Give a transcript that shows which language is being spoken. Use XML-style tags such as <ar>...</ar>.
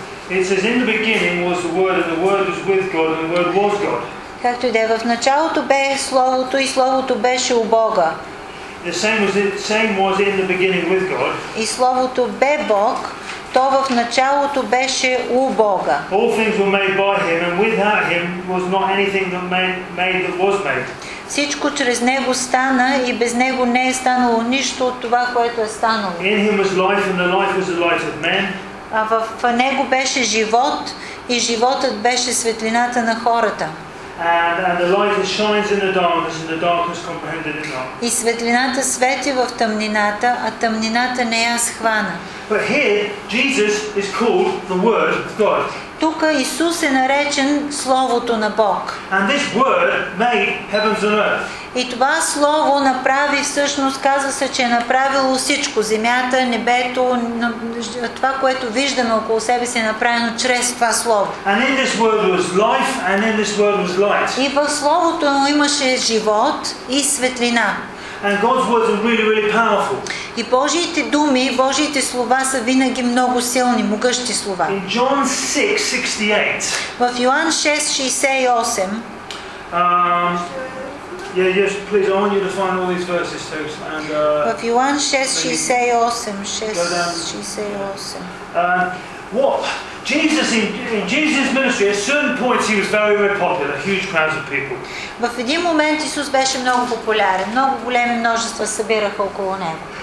<en>It says in the beginning was the word and the word was with God and the word was God.</en> <bg>Както и да е, в началото бе Словото и Словото беше у Бога.</bg> <en>The same was in the beginning with God.</en> <bg>И Словото бе Бог, то в началото беше у Бога.</bg> <en>All things were made by him and without him was not anything that made that was made.</en> <bg>Всичко чрез Него стана и без Него не е станало нищо от това, което е станало.</bg> <en>In Him was life and the life was the light of men.</en> <bg>А в Него беше живот и животът беше светлината на хората.</bg> <en>And the light shines in the darkness and the darkness comprehended it not.</en> <bg>И светлината свети в тъмнината, а тъмнината не я схвана.</bg> <en>But here Jesus is called the Word of God.</en> <bg>Тук Исус е наречен Словото на Бог.</bg> <en>And this word made heavens and earth.</en> <bg>И това Слово направи всъщност, казва се, че е направило всичко. Земята, небето, това, което виждаме около себе си, е направено чрез това Слово.</bg> <en>And in this word was life, and in this word was light.</en> <bg>И в Словото му имаше живот и светлина.</bg> <en>And God's words are really, really powerful.</en> <bg>И Божиите думи, Божиите слова са винаги много силни, могъщи слова.</bg> <en>In John 6:68.</en> <bg>В Йоан 6:68.</bg> <en>Yes, please, I want you to find all these verses too.</en> <bg>В Йоан 6:68.</bg> <en>Jesus in Jesus' ministry, at certain points he was very, very popular, huge crowds of people.</en> <bg>В един момент Исус беше много популярен, много големи множества събираха около него.</bg>